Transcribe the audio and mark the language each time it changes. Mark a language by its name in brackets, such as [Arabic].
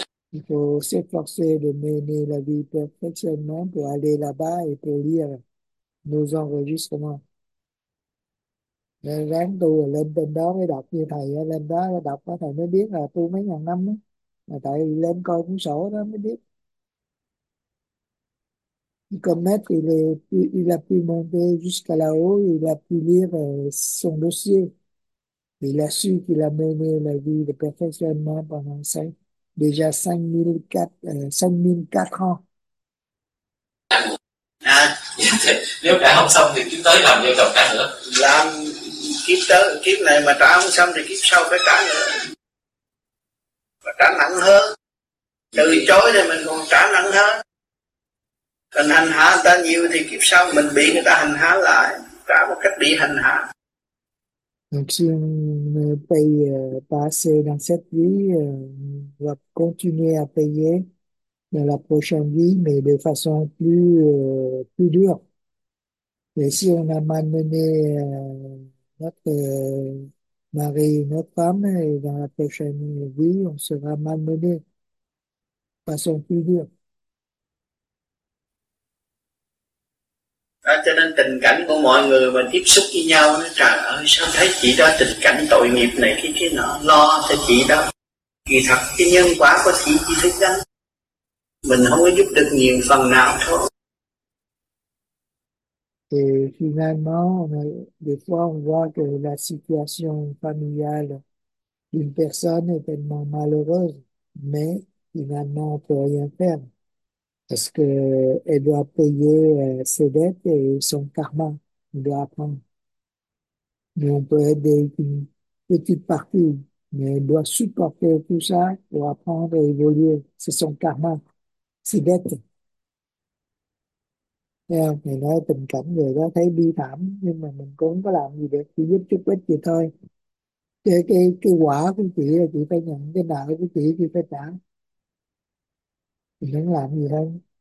[French] Il faut s'efforcer de mener la vie perfectionnellement pour aller là-bas et pour lire nos enregistrements. [Vietnamese] Ráng tu là lên bên đó mới đọc như thầy, lên đó đọc đó, thầy mới biết là tu mấy ngàn năm đó. Mà tại lên coi cuốn sổ đó mới biết. [French] Il commet il a pu monter jusqu'à là-haut, il a pu lire son dossier. Il a su qu'il a mené la vie de perfectionnement pendant déjà 5004 ans. [Vietnamese] Nếu trả không xong thì kiếp tới làm vợ chồng trả nữa. Làm kiếp tới kiếp này mà trả không xong thì kiếp sau phải trả nữa. Mà trả nặng hơn. Từ chối thì mình còn trả nặng hơn. Còn hành hạ người ta nhiều thì kiếp sau mình bị người ta hành hạ lại. Trả một cách bị hành hạ. [French] Donc si on ne paye pas assez dans cette vie, on va continuer à payer dans la prochaine vie, mais de façon plus dure. Et si on a malmené notre mari, notre femme, et dans la prochaine vie, on sera malmené de façon plus dure. [Vietnamese] À, cho nên tình cảnh của mọi người mà tiếp xúc với nhau nó trời ơi sao thấy chị đó tình cảnh tội nghiệp này cái kia nọ lo cho chị đó kỳ thật cái nhân quả của chị thích gánh mình không có giúp được nhiều phần nào thôi. [French] Et finalement, des fois, on voit que la situation familiale d'une personne est tellement malheureuse, mais finalement, on peut rien faire parce que elle doit payer ses dettes et son karma. On doit apprendre. Mais on peut aider une petite partie, mais elle doit supporter tout ça pour apprendre et évoluer. C'est son karma, ses dettes. [Vietnamese] Yeah, mình nói tình cảnh người đó thấy bi thảm nhưng mà mình cũng không có làm gì được, chỉ giúp chút ít vậy thôi. Cái quả của chị là chị phải nhận, cái nợ của chị phải trả, mình không làm gì hơn.